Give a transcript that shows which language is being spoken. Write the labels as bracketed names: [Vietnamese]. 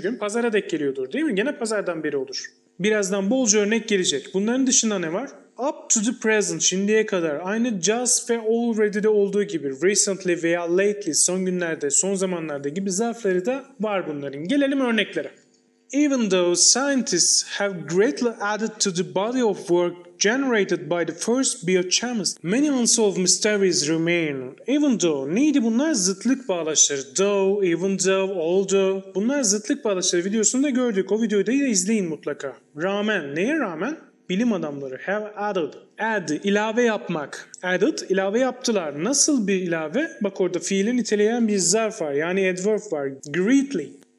[Turkish] gün pazara dek geliyordur değil mi? Gene pazardan beri olur. Birazdan bolca örnek gelecek. Bunların dışında ne var? [English] Up to the present, [Turkish] şimdiye kadar. Aynı just ve already'de olduğu gibi. Recently veya lately, son günlerde, son zamanlarda gibi zarfları da var bunların. Gelelim örneklere. [English] even though scientists have greatly added to the body of work generated by the first biochemist, many unsolved mysteries remain. [Turkish] Even though neydi bunlar zıtlık bağlaçları? Though, even though, although. Bunlar zıtlık bağlaçları videosunda gördük. O videoyu da izleyin mutlaka. Rağmen, neye rağmen? Bilim adamları have added. Add, ilave yapmak. Added, ilave yaptılar. Nasıl bir ilave? Bak orada fiili niteleyen bir zarf var. Yani adverb var. Greatly.